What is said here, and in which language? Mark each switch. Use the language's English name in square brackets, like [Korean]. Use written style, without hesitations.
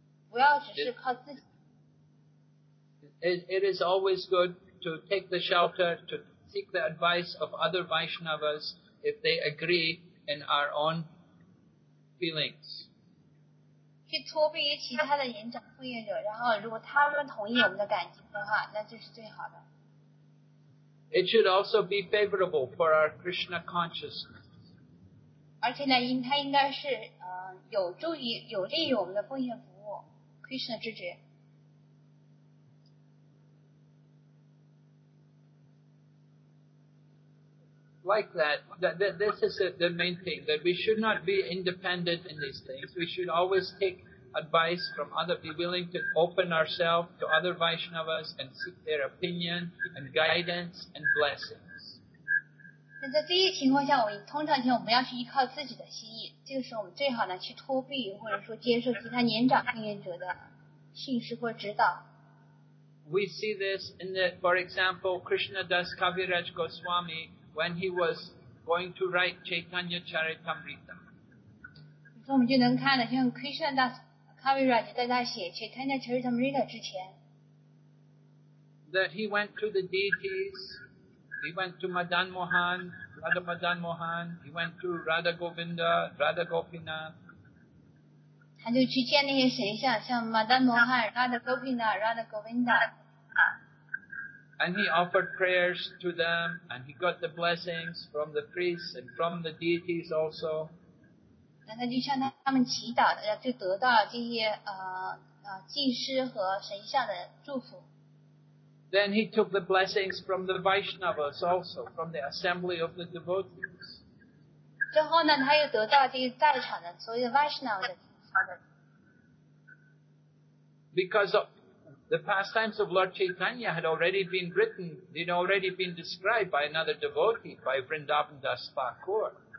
[Chinese] 不要只是靠自己。 [English] It is always good to take the shelter to. Seek the advice of other Vaishnavas if they agree in our own feelings. [Chinese] 去托庇于其他的年长奉献者，然后如果他们同意我们的感情的话，那就是最好的。 [English] It should also be favorable for our Krishna consciousness. [Chinese] 而且呢，它应该是有助于有利于我们的奉献服务 ，Krishna 之觉。 [English] Like that this is the main thing, that we should not be independent in these things. We should always take advice from others, be willing to open ourselves to other Vaishnavas and seek their opinion and guidance and blessings. [Chinese] 那在这些情况下，我们通常性我们要是依靠自己的心意，这个时候我们最好呢去托庇或者说接受其他年长经验者的训示或指导。 [English] We see this in the, for example, Krishna Das Kaviraj Goswami when he was going to write Chaitanya Charitamrita. [Chinese] 所以我们就能看到，像 Krishna Das Kaviraj 在他写 Chaitanya Charitamrita 之前 [English] ，that he went to the deities. He went to Madan Mohan, Radha Madan Mohan. He went to Radha Govinda, Radha Gopinath. [Chinese] 他就去见那些神像，像 Madan Mohan, Radha Gopinath, Radha Govinda. [English] And he offered prayers to them, and he got the blessings from the priests and from the deities also. [Chinese] 那他就向他们祈祷，就得到这些祭师和神像的祝福。 [English] Then he took the blessings from the Vaishnavas also, from the assembly of the devotees. [Chinese] 最后呢，他又得到这个在场的所有 Vaishnavas 的。 [English] Because of the pastimes of Lord Chaitanya had already been written, they'd already been described by another devotee, by Vrindavan Das Thakur.